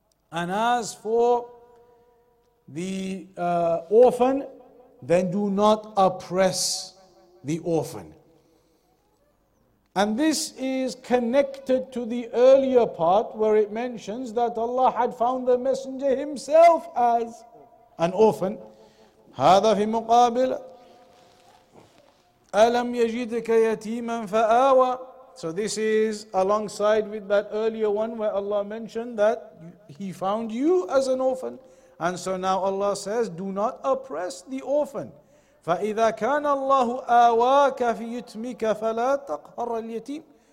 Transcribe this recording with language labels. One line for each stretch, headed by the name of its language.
English: And as for the orphan, then do not oppress the orphan. And this is connected to the earlier part where it mentions that Allah had found the messenger himself as an orphan.
Arabic: هذا في مقابل ألم يجدك يتيما فآوى.
English: So this is alongside with that earlier one where Allah mentioned that he found you as an orphan. And so now Allah says, do not oppress the orphan.
Arabic: فَإِذَا كَانَ اللَّهُ آوَاكَ فِي يُتْمِكَ فَلَا تَقْهَرَ الْيَتِيمِ.